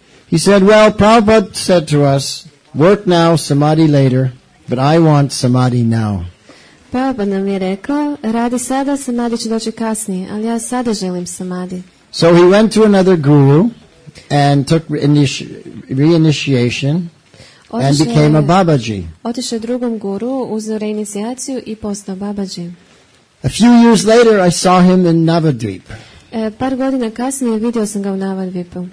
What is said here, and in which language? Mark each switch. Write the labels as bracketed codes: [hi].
[en] He said, well, Prabhupada said to us, work now, samadhi later, but I want samadhi now. [hr] Prabhupada nam je rekao, radi sada, samadhi će doći kasnije, ali ja sada želim samadhi. [en] So he went to another guru and took reinitiation and became a babaji. [hr] Otišao drugom guru, uzeo reinicijaciju i postao babaji. [en] A few years later I saw him in Navadvip. [hr] Par godina kasnije vidio sam ga u Navadvipu.